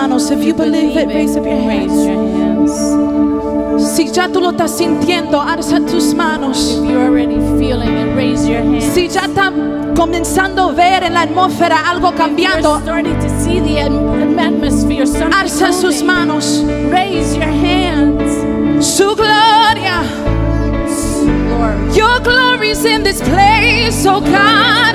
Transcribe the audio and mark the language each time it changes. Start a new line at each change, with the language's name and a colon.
English: If you believe it, raise up your hands.
Spanish: Si ya tú lo estás sintiendo, alza tus manos.
English: If you're already feeling it, raise your hands.
Spanish: Si ya está comenzando a ver en la atmósfera algo cambiando, alza sus manos.
English: Raise your hands.
Spanish: Su gloria.
English: Your glory is in this place, oh God.